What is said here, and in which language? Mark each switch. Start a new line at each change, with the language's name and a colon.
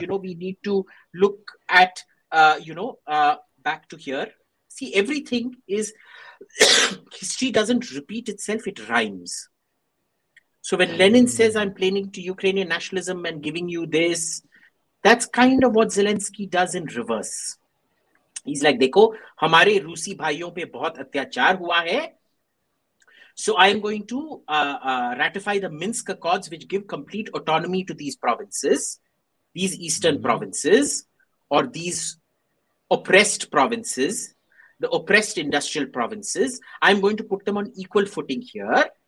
English: you know, we need to look at, back to here. See, everything is history doesn't repeat itself, it rhymes. So when Lenin says, I'm playing to Ukrainian nationalism and giving you this, that's kind of what Zelensky does in reverse. He's like,
Hindi: देखो, हमारे रूसी भाइयों पे बहुत अत्याचार हुआ है.
English: So I am going to ratify the Minsk Accords, which give complete autonomy to these provinces, these eastern provinces, or these oppressed provinces the oppressed industrial provinces. I'm going to put them on equal footing here.